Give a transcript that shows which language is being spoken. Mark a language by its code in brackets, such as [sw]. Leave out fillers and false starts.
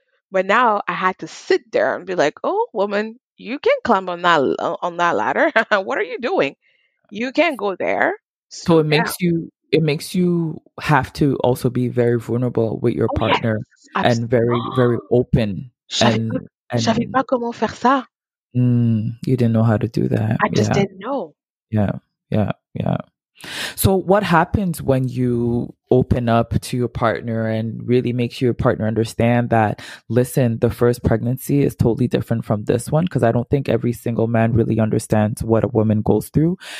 [en] But now I had to sit there and be like, oh woman, you can't climb on that ladder. What are you doing? You can't go there. So it makes you. It makes you have to also be very vulnerable with your partner yes, and very, very open. [fr] J'avais pas comment faire ça. [en] You didn't know how to do that. I just didn't know. Yeah, yeah, yeah. So what happens when you open up to your partner and really makes your partner understand that, listen, the first pregnancy is totally different from this one? Because I don't think every single man really understands what a woman goes through.